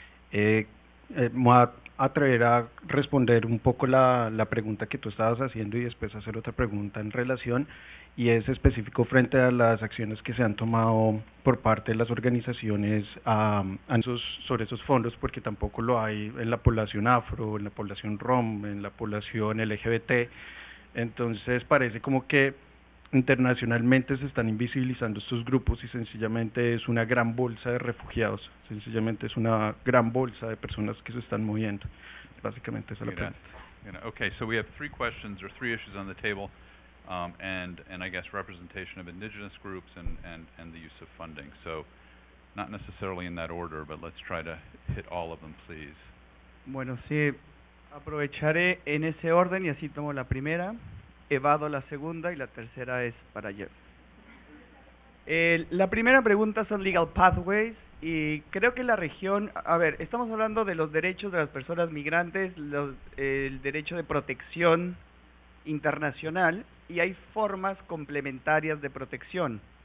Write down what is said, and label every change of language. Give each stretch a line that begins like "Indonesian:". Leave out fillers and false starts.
Spanish: Me voy a atrever a responder un poco la pregunta que tú estabas haciendo y después hacer otra pregunta en relación, y es específico frente a las acciones que se han tomado por parte de las organizaciones sobre esos fondos, porque tampoco lo hay en la población afro, en la población rom, en la población LGBT. Entonces parece como que internacionalmente se están invisibilizando estos grupos y sencillamente es una gran bolsa de refugiados, sencillamente es una gran bolsa de personas que se están moviendo. Básicamente esa es la pregunta.
English: Okay, so we have three questions or three issues on the table, and I guess representation of indigenous groups and the use of funding. So not necessarily in that order, but let's try to hit all of them, please.
Spanish: Bueno, sí. Aprovecharé en ese orden y así tomo la primera, evado la segunda y la tercera es para Jeff. La primera pregunta son
English: legal pathways
Spanish: y creo que la región, estamos hablando de los derechos de las personas migrantes, el derecho de protección internacional y hay formas complementarias de protección.